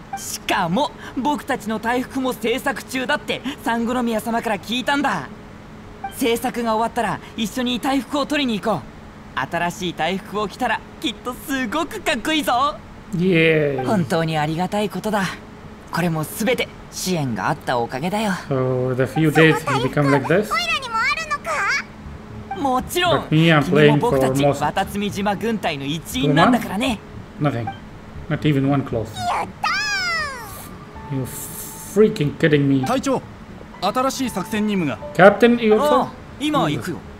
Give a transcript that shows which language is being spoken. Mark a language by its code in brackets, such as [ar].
[ja] しかも僕たちの隊服も制作中だってサングロミア様から聞いたんだ。制作が終わったら一緒に隊服を取りに行こう。新しい隊服を着たらきっとすごくかっこいいぞ。イエーイ、本当にありがたいことだ。これもすべて支援があったおかげだよ。 [en] So the few days he become like this。 [ja] オイラにもあるのか？もちろん、君も僕たちワタツミ島軍隊の一員なんだからね。 [en] Nothing, not even one clothes。 [ja] やったー！ [en] You freaking kidding me。 [ja] 隊長、新しい作戦任務が。 [en] Captain, you're so? [ja] 今は行くよ。